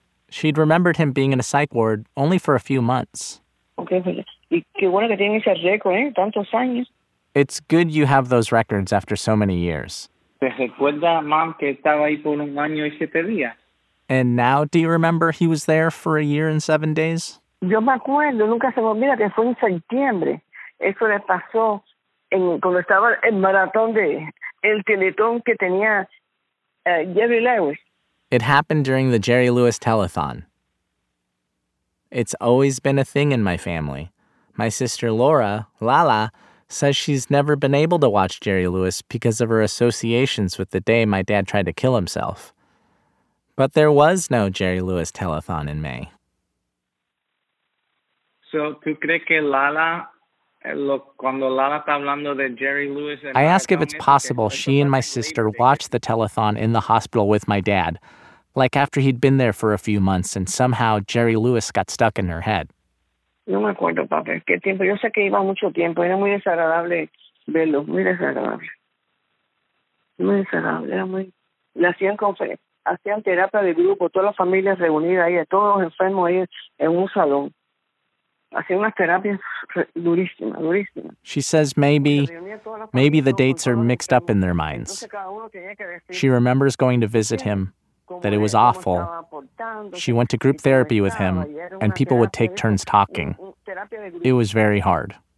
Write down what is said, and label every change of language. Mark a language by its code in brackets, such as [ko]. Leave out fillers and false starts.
[en] She'd remembered him being in a psych ward only for a few months. Okay. It's good you have those records after so many years. And now, do you remember he was there for a year and 7 days? [es] Yo me acuerdo, nunca se me olvida que fue en septiembre. Eso le pasó cuando estaba el maratón de el teletón que tenía Jerry Lewis. [en] It happened during the Jerry Lewis telethon. It's always been a thing in my family. My sister Laura, Lala, says she's never been able to watch Jerry Lewis because of her associations with the day my dad tried to kill himself. But there was no Jerry Lewis telethon in May. [es] So, ¿tú crees que Lala, cuando Lala está hablando de Jerry Lewis? [en] I ask if it's possible she and my sister watched the telethon in the hospital with my dad, like after he'd been there for a few months and somehow Jerry Lewis got stuck in her head. [es] No me acuerdo, papá. ¿Qué tiempo? Yo sé que iba mucho tiempo. Era muy desagradable verlo. Muy desagradable. Muy desagradable. Era muy... Le hacían hacían terapia de grupo, todas las familias reunidas ahí, todos los enfermos ahí en un salón. Hacían unas terapias durísimas, durísimas. [en] She says maybe the dates are mixed up in their minds. She remembers going to visit him. That it was awful. She went to group therapy with him, and people would take turns talking. It was very hard.